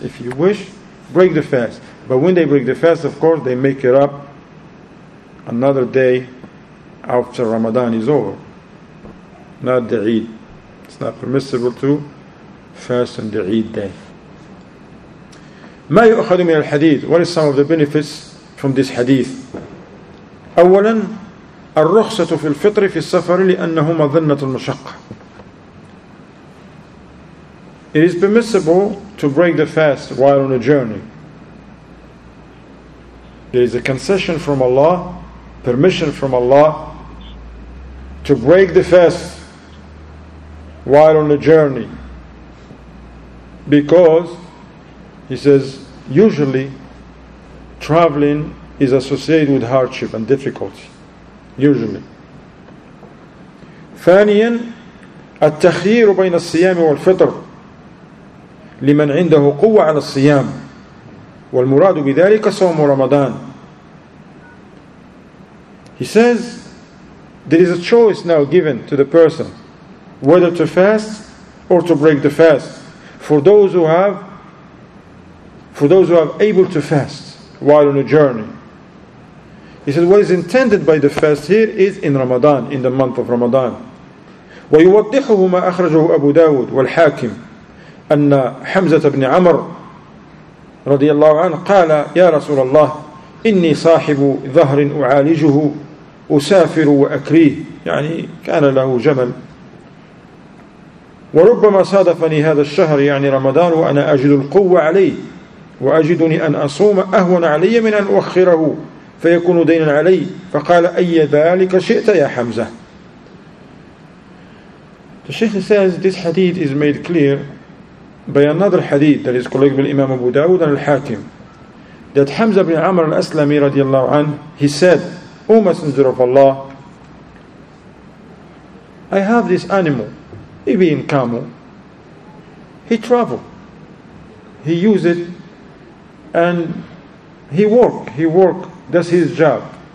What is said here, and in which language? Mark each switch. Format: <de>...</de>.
<en>If you wish, break the fast. But when they break the fast, of course, they make it up another day after Ramadan is over. Not the Eid. It's not permissible to fast on the Eid day.</en> <ar>ما يؤخذ من الحديث?</ar> <en>What is some of the benefits from this hadith?</en> <ar>أولا, الرخصة في الفطر في السفر لأنه مظنة المشقة.</ar> <en>It is permissible to break the fast while on a journey. There is a concession from Allah, permission from Allah to break the fast while on a journey. Because, he says, usually traveling is associated with hardship and difficulty. Usually.</en> <ar>ثانياً, التخيير بين الصيام والفطر. لمن عنده قوة على الصيام والمراد بذلك صوم رمضان.</ar> <en>He says there is a choice now given to the person whether to fast or to break the fast for those who are able to fast while on a journey. He says what is intended by the fast here is in Ramadan, in the month of Ramadan.</en> <ar>ويوضحه ما أخرجه أبو داود والحاكم أن حمزة بن عمر رضي الله عنه قال يا رسول الله إني صاحب ظهر أعالجه أسافر وأكريه, يعني كان له جمل, وربما صادفني هذا الشهر يعني رمضان وأنا أجد القوة عليه وأجدني أن أصوم أهون علي من أن أؤخره فيكون دينا علي, فقال أي ذلك شئت يا حمزة.</ar> <en>The Sheikh says this hadith is made clear by another hadith that is collected by Imam Abu Dawud and Al-Hakim, that Hamza ibn Amr al-Aslami radiallahu anhu, he said, O Messenger of Allah, I have this animal, Ibn Kamu, he travel, he use it, and he work, that's his job.</en>